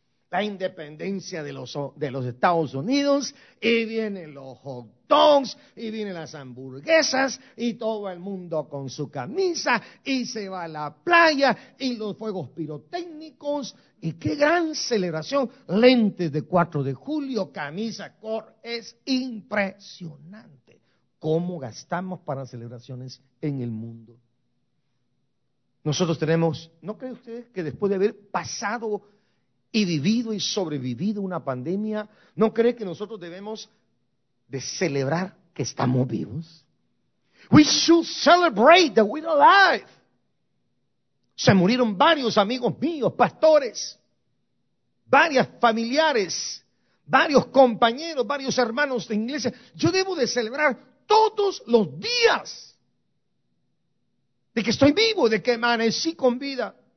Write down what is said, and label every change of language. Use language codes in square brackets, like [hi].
[es] La independencia de los Estados Unidos, y vienen los hot dogs, y vienen las hamburguesas, y todo el mundo con su camisa, y se va a la playa, y los fuegos pirotécnicos, y qué gran celebración, lentes de 4 de julio, camisa, es impresionante cómo gastamos para celebraciones en el mundo. Nosotros tenemos, ¿no cree usted que después de haber pasado y vivido y sobrevivido una pandemia, no cree que nosotros debemos de celebrar que estamos vivos? [en] We should celebrate that we're alive. [es] Se murieron varios amigos míos, pastores, varias familiares, varios compañeros, varios hermanos de iglesia. Yo debo de celebrar todos los días de que estoy vivo, de que amanecí con vida.